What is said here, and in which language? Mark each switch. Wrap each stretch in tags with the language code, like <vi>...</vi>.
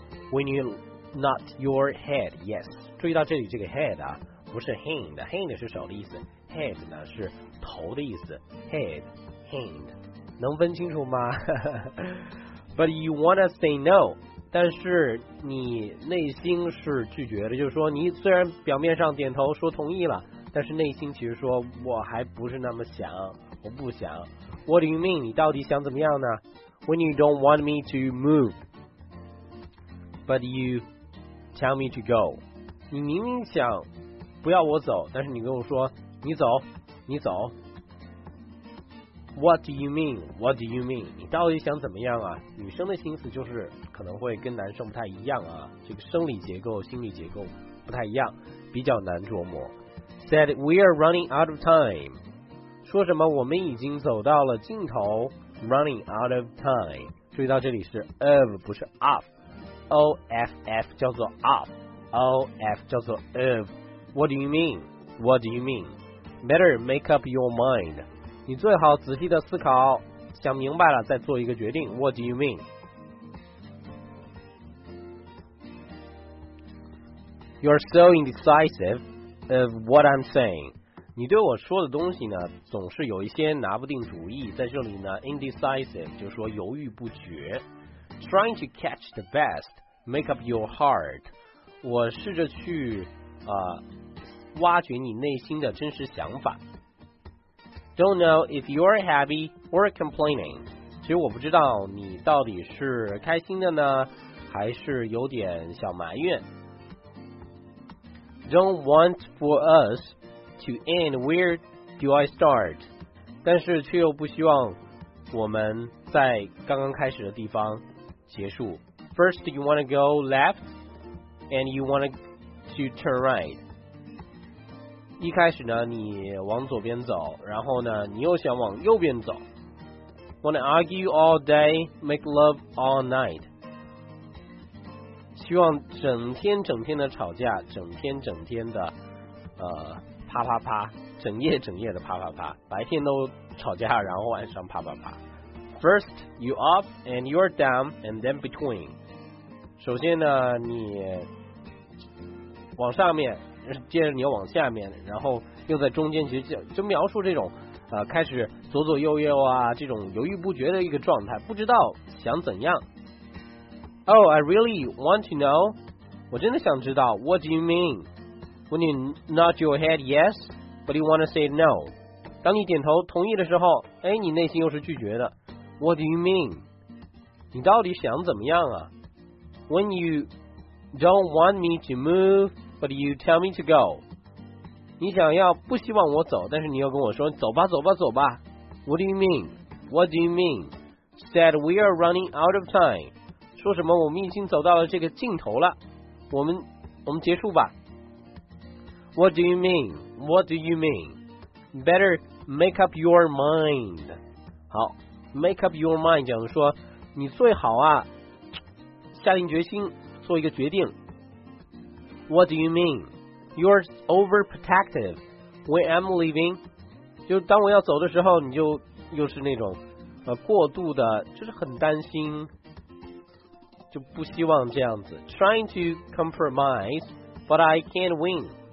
<en>When you nod your head yes，</en> <zh>注意到这里这个 head 啊，不是 hand， hand 是手的意思， head 呢是头的意思， head hand 能分清楚吗？</zh> <en>But you wanna say no，</en> <zh>但是你内心是拒绝的，就是说你虽然表面上点头说同意了，但是内心其实说我还不是那么想，我不想。</zh> <en>What do you mean?</en> <zh>你到底想怎么样呢？</zh> <en>When you don't want me to move, but you tell me to go.</en> <zh>你明明想不要我走，但是你跟我说你走，你走。</zh> <en>What do you mean?</en> <zh>What do you mean? 你到底想怎么样啊？女生的心思就是可能会跟男生不太一样啊，这个生理结构、心理结构不太一样，比较难琢磨。</zh> <en>Said we are running out of time.</en> <zh>说什么我们已经走到了尽头，</zh> <en>running out of time，</en> <zh>注意到这里是 of 不是 off， off 叫做 off， off 叫做 of。</zh> <en>What do you mean?</en> <zh>What do you mean?</zh> <en>Better make up your mind，</en> <zh>你最好仔细的思考，想明白了再做一个决定。</zh> <en>What do you mean? You're so indecisive of what I'm saying，</en> <zh>你对我说的东西呢总是有一些拿不定主意。在这里呢 indecisive 就是说犹豫不决，</zh> <en>trying to catch the best make up your heart，</en> <zh>我试着去挖掘你内心的真实想法。</zh> <en>don't know if you're happy or complaining，</en> <zh>其实我不知道你到底是开心的呢还是有点小埋怨。</zh> <en>don't want for usTo end, where do I start?</en> <zh>但是却又不希望我们在刚刚开始的地方结束。</zh> <en>First, you want to go left, and you want to turn right.</en> <zh>一开始呢，你往左边走，然后呢，你又想往右边走。</zh> <en>Want to argue all day, make love all night.</en> <zh>希望整天整天的吵架，整天整天的啪啪啪，整夜整夜的啪啪啪，白天都吵架，然后晚上啪啪啪。</zh> <en>First you up and you're down and then between，</en> <zh>首先呢你往上面，接着你又往下面，然后又在中间，其实就描述这种开始左左右右啊，这种犹豫不决的一个状态，不知道想怎样。</zh> <en>Oh I really want to know，</en> <zh>我真的想知道。</zh> <en>What do you meanWhen you nod your head yes, but you want to say no.</en> <zh>当你点头同意的时候，哎，你内心又是拒绝的。</zh> <en>What do you mean?</en> <zh>你到底想怎么样啊？</zh> <en>When you don't want me to move, but you tell me to go.</en> <zh>你想要不希望我走，但是你又跟我说走吧走吧走吧。</zh> <en>What do you mean?</en> <zh>What do you mean?</zh> <en>said we are running out of time.</en> <zh>说什么我们已经走到了这个尽头了，我们结束吧。</zh> <en>What do you mean? What do you mean? Better make up your mind.</en> <zh>好 ，</zh> <en>make up your mind</en> <zh>讲的说，你最好啊，下定决心做一个决定。</zh> <en>What do you mean? You're overprotective. When I'm leaving,</en> <zh>就当我要走的时候，你就又是那种过度的，就是很担心，就不希望这样子。</zh> <en>Trying to compromise, but I can't win.</en>